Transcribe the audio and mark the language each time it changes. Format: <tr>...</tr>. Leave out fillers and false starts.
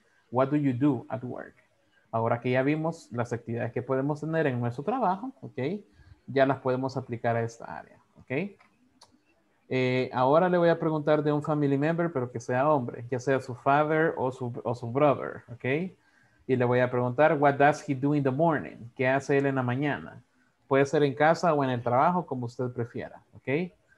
<en>What do you do at work?</en> <es>Ahora que ya vimos las actividades que podemos tener en nuestro trabajo, ¿ok? Ya las podemos aplicar a esta área, ¿ok? Ahora le voy a preguntar de un family member, pero que sea hombre, ya sea su father o su brother, ¿ok? Y le voy a preguntar,</es> <en>what does he do in the morning?</en> <es>¿Qué hace él en la mañana? Puede ser en casa o en el trabajo, como usted prefiera, ¿ok?</es>